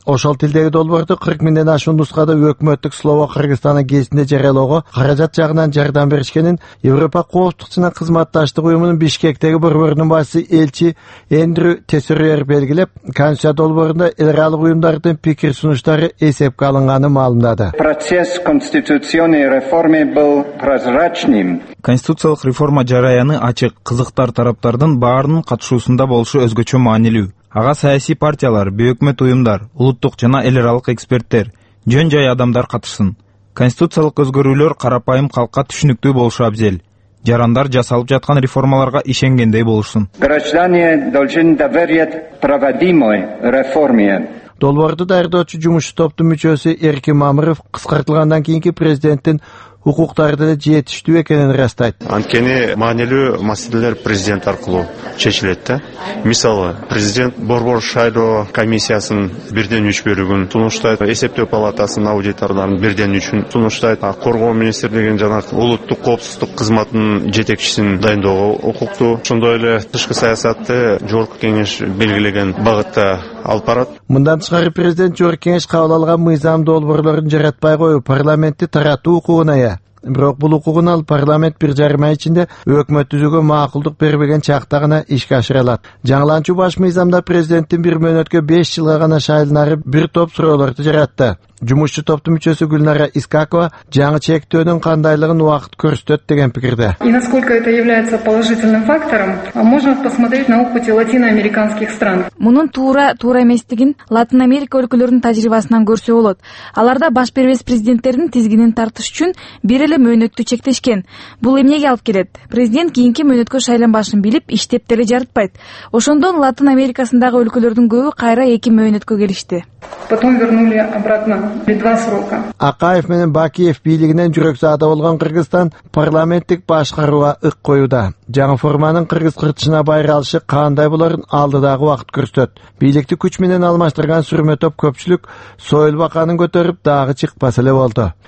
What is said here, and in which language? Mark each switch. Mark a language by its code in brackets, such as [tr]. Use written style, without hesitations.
[ky] Ошол тилдеги долбоорду 40 000 ашуун нускада өкмөттүк Слово Кыргызстана гезитинде жарыялоого каражат жагынан жардам беришкенин Европа коопсуздукчунан кызматташтык уюмунун Бишкектеги борборунун башчысы элчи Эндрю Тесюриер белгилеп, конституция долбоорунда эл аралык уюмдардын пикир сунуштары эсепке алынганын маалымдады. [ru] Процесс конституционной реформы был прозрачным. [ky] Конституциялык реформа жараяны ачык, кызыктар тараптардын баарынын катышуусунда болушу өзгөчө маанилүү. Ага саясий партиялар, бөкмөт уюмдар, улуттук жана эл аралык эксперттер, жөн жай адамдар катышсын. Конституциялык өзгөрүүлөр карапайым калкка түшүнүктүү болушу абзел. Жарандар жасалып жаткан реформаларга ишенгендей болушсун. [ru] Граждане должны доверять проводимой реформе. [ky] Долбоорду даярдоочу жумушчу топтун мүчөсү Эркин Мамыров кыскартылгандан кийинки президенттин укуктары деле жетиштүү экенин ырастайт. Анткени маанилүү маселелер президент аркылуу чечилет да. Мисалы, президент борбор шайлоо комиссиясынын 1/3 бөлүгүн сунуштайт, эсептөө палатасынын аудиторлорунун 1/3 сунуштайт, коргоо министрлигинин жана улуттук коопсуздук кызматынын жетекчисин дайындоого укуктуу. Ошондой эле тышкы саясатты жогорку кеңеш белгилеген багытта алып барат. Мындан тышкары президент жогорку кеңеш кабыл алган мыйзам долбоорлорун жаратпай коюп, парламентти таратуу укугуна ээ. Бирок бул укугун ал парламент 1.5 ай ичинде өкмөт түзүүгө макулдук бербеген чакта гана ишке ашыра алат. Жаңылаанчу баш мыйзамда президенттин 1 мөөнөткө 5 жылга гана шайланары бир топ суроолорду жаратты. Жумушчу топтун мүчөсү Гүлнара Искакова жаңы чектөөнүн кандайлыгын убакыт көрсөтөт деген пикирде. [ru] И насколько это является положительным фактором, можно посмотреть на опыт латиноамериканских стран. [ky] Мунун туура эместигин Латын Америка өлкөлөрүнүн тажрыйбасынан көрсө болот. Аларда баш бербес президенттердин тизгинин тартыш үчүн бир эле мөөнөттү чектешкен. Бул эмнеге алып келет? Президент кийинки мөөнөткө шайланбашын билип, иштеп деле жаратпайт. Ошондон Латын Америкасындагы өлкөлөрдүн көбү кайра 2 мөөнөткө келишти. [ru] Потом вернули обратно два срока. [ky] Акаев менен Бакиев бийлигинен жүрөк заада болгон Кыргызстан парламенттик башкарууга ык коюуда. Жаңы форманын кыргыз кырчына байралышы кандай болорун алдыдагы убакыт көрсөтөт. Бийликти күч менен алмаштырган сүрмөтөп көпчүлүк Сойил баканын көтөрүп дагы чыкпаса эле болду.